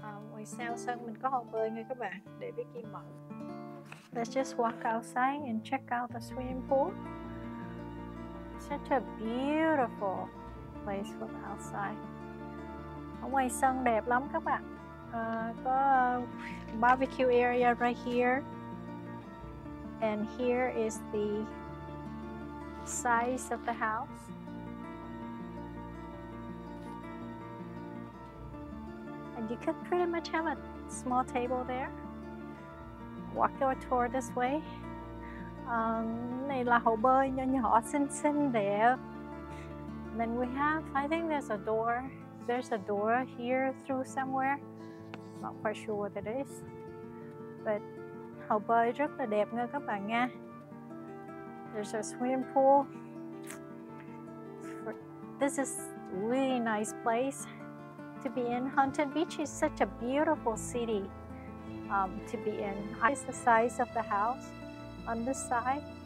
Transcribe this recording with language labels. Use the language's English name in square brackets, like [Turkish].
[Vietnamese] Ngoài sao sân mình có hồ bơi nha các bạn, để Vicky mở. [English] Let's just walk outside and check out the swimming pool. Such a beautiful place from outside. [Vietnamese] Ở ngoài sân đẹp lắm các bạn. [English] Có barbecue area right here. And here is the size of the house. And you could pretty much have a small table there. Walk your tour this way. [Vietnamese] Này là hồ bơi nhỏ nhỏ xinh xinh đẹp. [English] Then we have, I think there's a door. There's a door here through somewhere. Not quite sure what it is. [Vietnamese] But hồ bơi rất là đẹp nha các bạn nha. [English] There's a swimming pool. This is really nice place to be in. Huntington Beach is such a beautiful city to be in. It's the size of the house on this side.